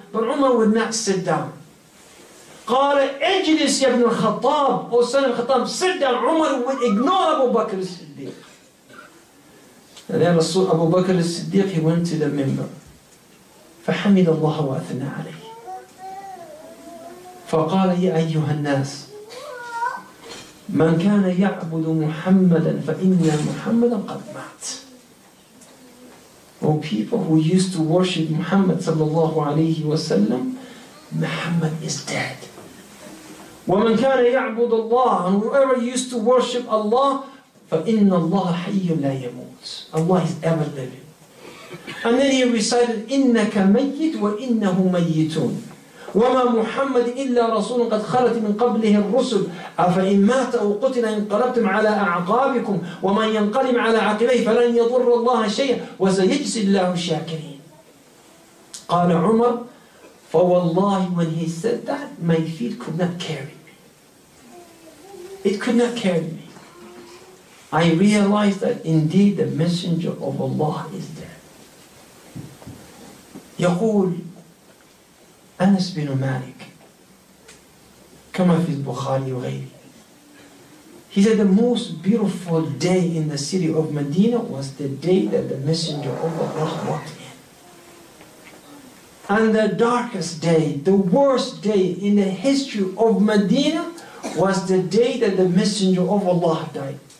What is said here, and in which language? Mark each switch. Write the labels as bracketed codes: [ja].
[en] But Umar would not sit down. [ar] قال اجلس يا ابن الخطاب. [en] O son of Khattab, sit down. Umar would ignore Abu Bakr al-Siddiq. And then Rasul Abu Bakr al-Siddiq, he went to the member. [ar] فحمد الله واثنى عليه. فقال يا أيها الناس من كان يعبد محمدا فإن محمدا قد مات. [en] Oh, people who used to worship Muhammad sallallahu alayhi wa sallam, Muhammad is dead. [ar] وَمَنْ كَانَ يَعْبُدُ اللَّهِ [en] And whoever used to worship Allah, [ar] فَإِنَّ اللَّهَ حَيٌّ لَا يَمُوتُ [en] Allah is ever living. And then he recited, [ar] إِنَّكَ مَيِّتْ وَإِنَّهُ مَيِّتُونَ وَمَا مُحَمَّدْ إِلَّا رَسُولٌ قَدْ خَلَتْ مِنْ قَبْلِهِ الرُّسُلُ أَفَإِنْ مَاتَ أَوْ قُتِلَ انْقَلَبْتُمْ عَلَى أَعْقَابِكُمْ وَمَنْ يَنْقَلِبْ عَلَى عَقِبَيْهِ فَلَنْ يَضُرَّ اللَّهَ شَيْئًا وَسَيَجْزِي اللَّهُ الشَّاكِرِينَ قَالَ عُمَرُ [en] For wallahi, when he said that, my feet could not carry me. It could not carry me. I realized that indeed the Messenger of Allah is dead. [ar] يقول أنس بن مالك كما في البخاري وغيره. [en] He said the most beautiful day in the city of Medina was the day that the Messenger of Allah walked in. And the darkest day, the worst day in the history of Medina was the day that the Messenger of Allah died.